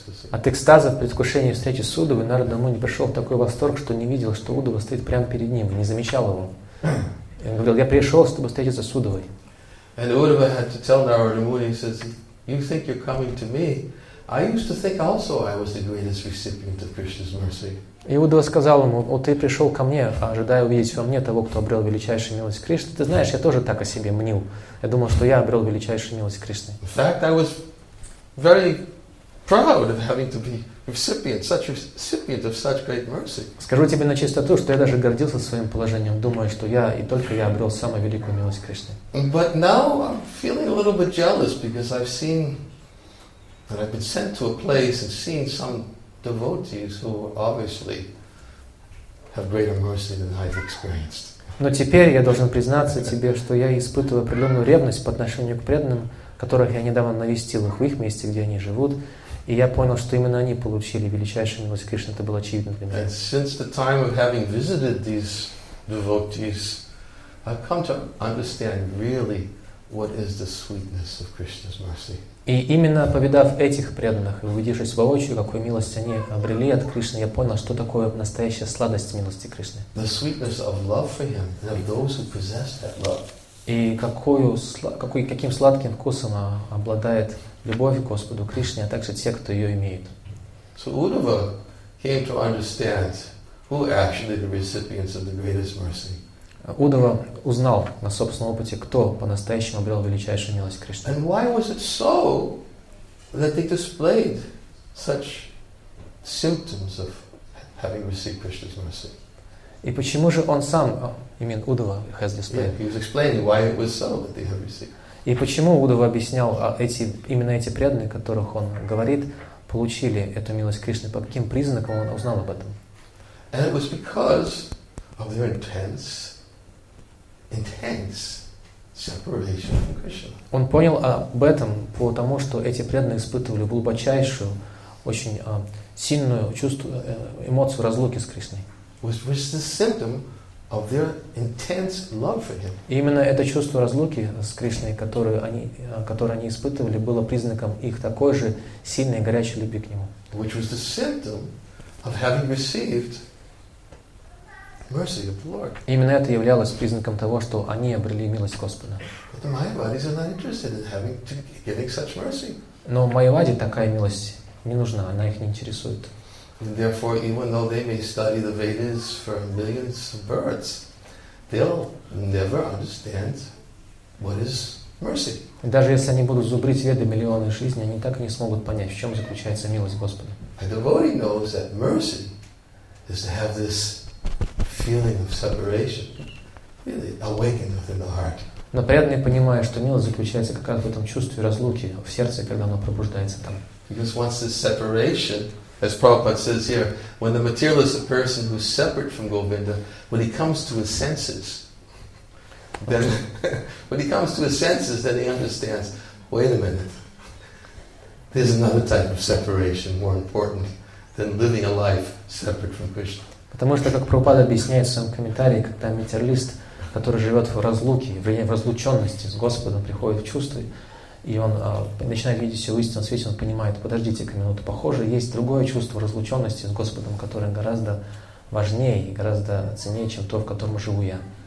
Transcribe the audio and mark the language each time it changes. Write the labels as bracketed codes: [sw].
[ru] От экстаза в предвкушении встречи с Уддвой Нарада Муни пришел в такой восторг, что не видел, что Уддва стоит прямо перед ним, не замечал его. И он говорил: «Я пришел, чтобы встретиться с Уддвой». И Уддва [en] had to tell Narada Muni, he says, "You think you're coming to me? I used to think also I was the greatest recipient of Krishna's mercy." [ru] Иуда сказал ему: "О, ты пришел ко мне, ожидая увидеть во мне того, кто обрел величайшую милость Кришны. Ты знаешь, я тоже так о себе мнил. Я думал, что я обрел величайшую милость Кришны." [en] In fact, I was very proud of having to be recipient of such great mercy. [ru] Скажу тебе на чистоту, что я даже гордился своим положением, думая, что я и только я обрел самую великую милость Кришны. [en] But now I'm feeling a little bit jealous because I've seen. And I've been sent to a place and seen some devotees who obviously have greater mercy than I've experienced. [ru] Но теперь я должен признаться тебе, что я испытываю определенную ревность по отношению к преданным, которых я недавно навестил их в их месте, где они живут, и я понял, что именно они получили величайшую милость Кришны. Это было очевидно для меня. [en] And since the time of having visited these devotees, I've come to understand really what is the sweetness of Krishna's mercy. [ru] И именно повидав этих преданных и увидевшись воочию, какую милость они обрели от Кришны, я понял, что такое настоящая сладость милости Кришны. [en] The sweetness of love for him and those who possess that love. [ru] И каким сладким вкусом обладает любовь к Господу Кришне, а также те, кто ее имеет. [en] So Uddhava came to understand who actually the recipients of the greatest mercy. [ru] Уддва узнал на собственном опыте, кто по-настоящему обрел величайшую милость Кришны. [en] And why was it so that they displayed such symptoms of having received Krishna's mercy? [ru] И почему же он сам, Уддва, [en] has displayed? Yeah, he was explaining why it was so that they have received. [ru] И почему Уддва объяснял именно эти преданные, которых он говорит, получили эту милость Кришны? По каким признакам он узнал об этом? [en] And it was because of their intense separation from Krishna. [ru] Он понял об этом потому, что эти преданные испытывали глубочайшую, очень сильную чувство, эмоцию разлуки с Кришной. [en] Which was the symptom of their intense love for him. [ru] И именно это чувство разлуки с Кришной, которое они испытывали, было признаком их такой же сильной горячей любви к нему. [en] Which was the symptom of having received mercy of the Lord. [ru] Именно это являлось признаком того, что они обрели милость Господа. [en] But the Mayavadis are not interested in having to getting such mercy. [ru] Но Майяваде такая милость не нужна, она их не интересует. [en] And therefore, even though they may study the Vedas for millions of births, they'll never understand what is mercy. [ru] Даже если они будут зубрить Веды миллионы жизней, они так и не смогут понять, в чем заключается милость Господа. [en] A devotee knows that mercy is to have this feeling of separation, really awakened within the heart. [ru] Но преданный понимает, что милость заключается как раз в этом чувстве разлуки в сердце, когда оно пробуждается там. [en] Because once this separation, as Prabhupada says here, when the materialist, a person who's separate from Govinda, when he comes to his senses, then when he comes to his senses, then he understands, wait a minute, there's another type of separation more important than living a life separate from Krishna. [ru] Потому что, как Прабхупада объясняет в своем комментарии, когда материалист, который живет в разлуке, в разлученности с Господом, приходит в чувство, и он начинает видеть все в истинном свете, он понимает, подождите-ка минуту, похоже, есть другое чувство разлученности с Господом, которое гораздо важнее и гораздо ценнее, чем то, в котором живу я.